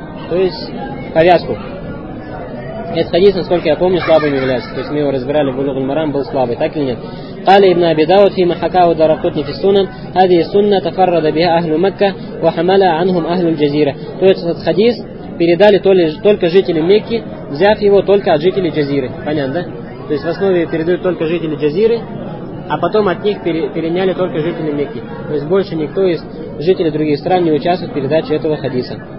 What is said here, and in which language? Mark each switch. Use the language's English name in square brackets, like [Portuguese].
[Russian] То есть повязку. Этот хадис, насколько я помню, слабым является. То есть мы его разбирали, Булугу Марам был слабый, так или нет? [Arabic] قال ابن أبي داود فيما حكاه الدارقطني في السنن هذه السنة تفرد بها أهل مكة وحملها عنهم أهل الجزيرة. [Russian] То есть этот хадис передали только жители Мекки, взяв его только от жителей Джазиры. Понятно, да? То есть в основе передают только жители Джазиры, а потом от них переняли только жители Мекки. То есть больше никто из жителей других стран не участвует в передаче этого хадиса.